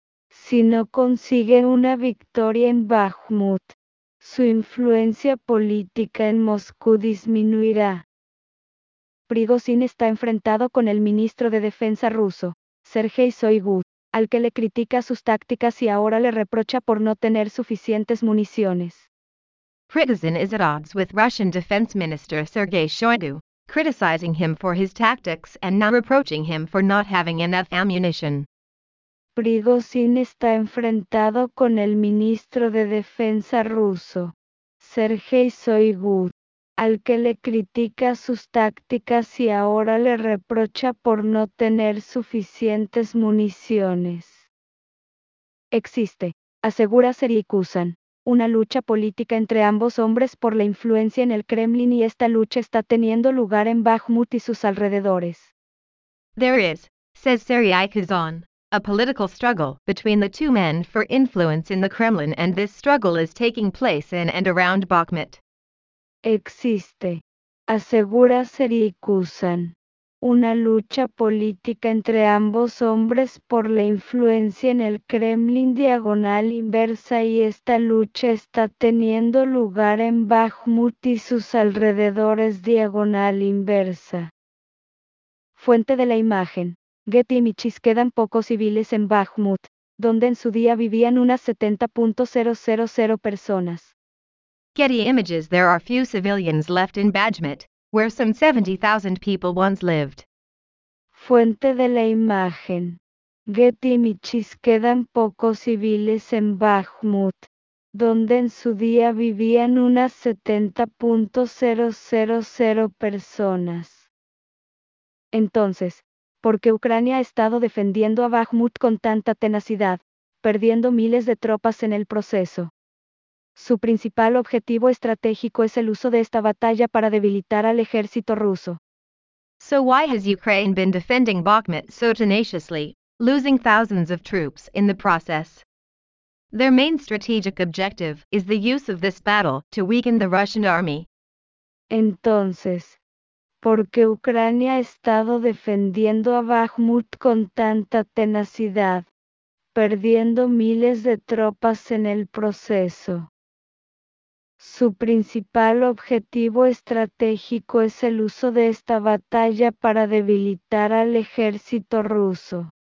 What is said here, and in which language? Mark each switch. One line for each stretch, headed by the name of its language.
Spanish: Si no consigue una victoria en Bakhmut, su influencia política en Moscú disminuirá. Prigozhin está enfrentado con el ministro de defensa ruso, Sergei Shoigu, al que le critica sus tácticas y ahora le reprocha por no tener suficientes municiones.
English: Prigozhin is at odds with Russian defense minister Sergei Shoigu, criticizing him for his tactics and now reproaching him for not having enough ammunition.
Spanish: Prigozhin está enfrentado con el ministro de defensa ruso, Sergei Shoigu, al que le critica sus tácticas y ahora le reprocha por no tener suficientes municiones. Existe, asegura Sergei Kusan, una lucha política entre ambos hombres por la influencia en el Kremlin y esta lucha está teniendo lugar en Bakhmut y sus alrededores.
English: There is, says Sergei Kusan, a political struggle between the two men for influence in the Kremlin and this struggle is taking place in and around Bakhmut.
Spanish: Existe, asegura Sergei Kusan, una lucha política entre ambos hombres por la influencia en el Kremlin diagonal inversa y esta lucha está teniendo lugar en Bakhmut y sus alrededores diagonal inversa. Fuente de la imagen. Getty Images. Quedan pocos civiles en Bakhmut, donde en su día vivían unas 70,000 personas. Getty Images.
English: There are few civilians left in Bakhmut, where some 70,000 people once lived.
Spanish: Fuente de la imagen. Getty Images. Quedan pocos civiles en Bakhmut, donde en su día vivían unas 70,000 personas. Entonces, ¿por qué Ucrania ha estado defendiendo a Bakhmut con tanta tenacidad, perdiendo miles de tropas en el proceso? Su principal objetivo estratégico es el uso de esta batalla para debilitar al ejército ruso.
English: So why has Ukraine been defending Bakhmut so tenaciously, losing thousands of troops in the process? Their main strategic objective is the use of this battle to weaken the Russian army.
Spanish: Entonces, ¿por qué Ucrania ha estado defendiendo a Bakhmut con tanta tenacidad, perdiendo miles de tropas en el proceso. Su principal objetivo estratégico es el uso de esta batalla para debilitar al ejército ruso.